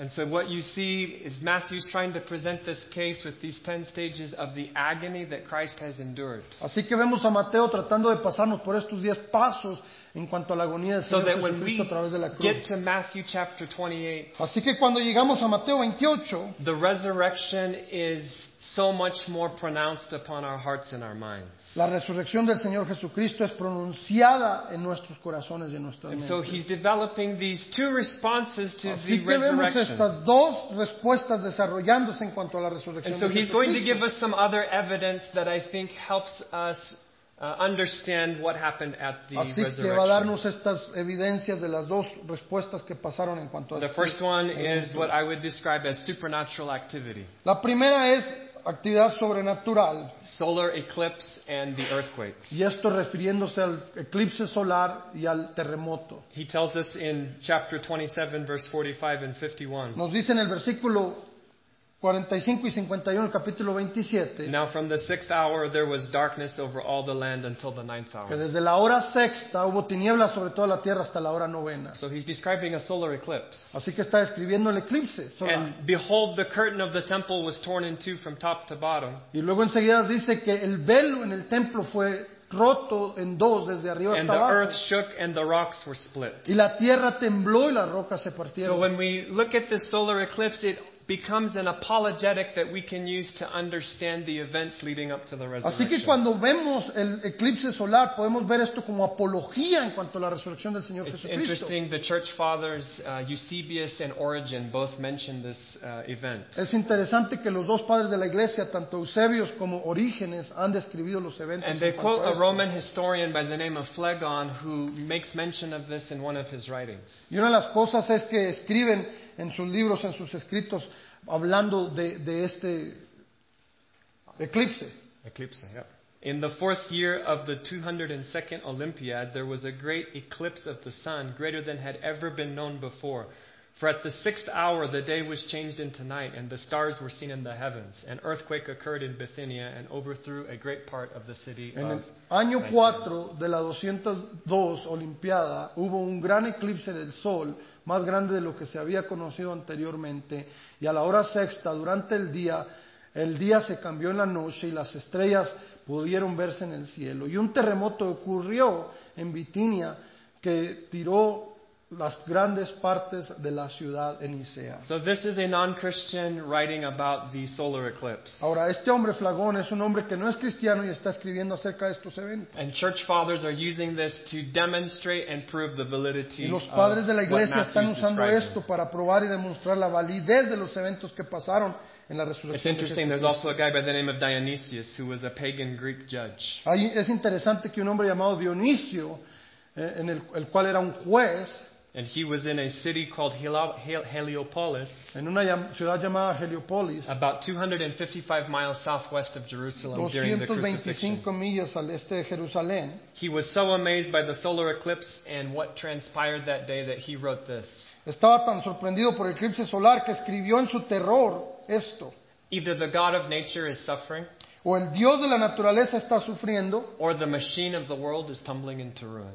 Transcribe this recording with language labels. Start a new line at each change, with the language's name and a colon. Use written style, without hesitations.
English: And so what you see is Matthew's trying to present this case with these 10 stages of the agony that Christ has endured.
Spanish: Así que vemos a Mateo tratando de pasarnos por estos 10 pasos en cuanto a la agonía del Señor Jesucristo a través de la cruz.
English: Get to Matthew chapter 28.
Spanish: Así que cuando llegamos a Mateo 28,
English: the resurrection is so much more pronounced upon our hearts and our minds.
Spanish: La resurrección del Señor Jesucristo es pronunciada en nuestros corazones y en nuestras mentes.
English: And so he's developing these two responses to
Spanish: Así
English: the resurrection.
Spanish: Así que vemos estas dos respuestas desarrollándose en cuanto a la resurrección del Jesucristo.
English: And so he's going to give us some other evidence that I think helps us understand what happened at the
Spanish: Así
English: resurrection.
Spanish: Así que va a darnos estas evidencias de las dos respuestas que pasaron en cuanto a
English: The first one is what I would describe as supernatural activity.
Spanish: La primera es actividad sobrenatural.
English: Solar eclipse and the earthquakes.
Spanish: Y esto refiriéndose al eclipse solar y al terremoto.
English: He tells us in chapter 27 verse 45 and 51.
Spanish: Nos dice en el versículo 45 y 51 del capítulo 27.
English: Now from the sixth hour there was darkness over all the land until the ninth hour.
Spanish: Que desde la hora sexta hubo tinieblas sobre toda la tierra hasta la hora novena.
English: So he's describing a solar eclipse.
Spanish: Así que está describiendo el eclipse solar.
English: And behold, the curtain of the temple was torn in two from top to bottom.
Spanish: Y luego enseguida dice que el velo en el templo fue roto en dos desde arriba hasta abajo.
English: And the earth shook and the rocks were split.
Spanish: Y la tierra tembló y las rocas se partieron.
English: So when we look at this solar eclipse, it becomes an apologetic that we can use to understand the events leading up to the resurrection.
Spanish: Así que cuando vemos el eclipse solar, podemos ver esto como apología en cuanto a la resurrección del Señor Jesucristo.
English: It's interesting, the church fathers Eusebius and Origen both mention this event.
Spanish: Es interesante que los dos padres de la iglesia, tanto Eusebius como Orígenes, han descrito los eventos.
English: And they quote a Roman historian by the name of Phlegon, who makes mention of this in one of his writings.
Spanish: Y una de las cosas es que escriben en sus libros, en sus escritos, hablando de este eclipse.
English: Eclipse, yeah. In the fourth year of the 202nd Olympiad, there was a great eclipse of the sun, greater than had ever been known before. For at the sixth hour, the day was changed into night, and the stars were seen in the heavens. An earthquake occurred in Bithynia and overthrew a great part of the city.
Spanish: En el año 4 de la 202 Olimpiada, hubo un gran eclipse del sol, más grande de lo que se había conocido anteriormente. Y a la hora sexta, durante el día se cambió en la noche y las estrellas pudieron verse en el cielo. Y un terremoto ocurrió en Bithynia que tiró las grandes partes de la ciudad en Nicea.
English: So this is a non-Christian writing about the solar eclipse.
Spanish: Ahora, este hombre Phlegon es un hombre que no es cristiano y está escribiendo acerca de estos eventos.
English: And church fathers are using this to demonstrate and prove the validity.
Spanish: Y los padres de la iglesia están usando
English: describing.
Spanish: Esto para probar y demostrar la validez de los eventos que pasaron en la resurrección.
English: It's interesting, there's also a guy by the name of Dionysius who was a pagan Greek judge.
Spanish: Es interesante que un hombre llamado Dionisio, en el cual era un juez.
English: And he was in a city called Heliopolis.
Spanish: En una ciudad llamada Heliopolis.
English: About 255 miles southwest of Jerusalem during the crucifixion.
Spanish: 225 millas al este de Jerusalén.
English: He was so amazed by the solar eclipse and what transpired that day that he wrote this.
Spanish: Estaba tan sorprendido por el eclipse solar que escribió en su terror esto.
English: Either the God of nature is suffering.
Spanish: O el Dios de la naturaleza está sufriendo.
English: Or the machine of the world is tumbling into ruin.